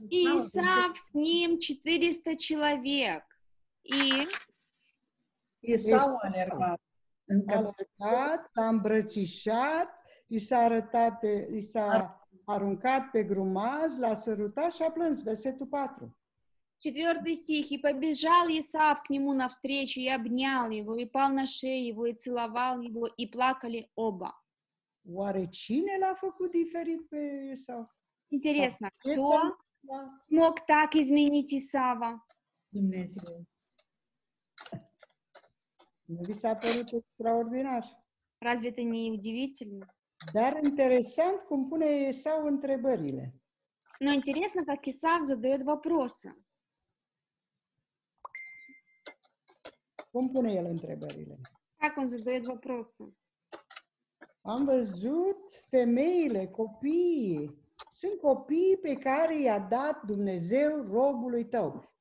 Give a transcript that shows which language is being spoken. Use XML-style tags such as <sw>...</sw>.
<ru>Исав с ним 400 человек. И</ru> <ro>Исав alergat. A alergat, l-a îmbrățișat, i s-a aruncat pe grumaz, l-a sărutat și a plâns. Versetul 4.</ro> <ru>Четвертый стих. «И побежал Исав к нему навстречу, и обнял его, и пал на шею его, и целовал его, и плакали оба».</ru> <ro>Oare cine l-a făcut diferit pe Исав?</ro> <ru>Интересно, кто мог так изменить Исава?</ru> <ro>Dumnezeu. Ви с-а părut extraordinar.</ro> <ru>Разве это не удивительно?</ru> <ro>Dar interesant cum pune Исав întrebările.</ro> <ru>Но интересно, как Исав задает вопросы.</ru> <ro>Cum pune el întrebările?</ro> <ru>Как он задает вопросы?</ru> <ro>Am văzut femeile, copiii. Sunt copiii pe care i-a dat Dumnezeu robului tău.</ro>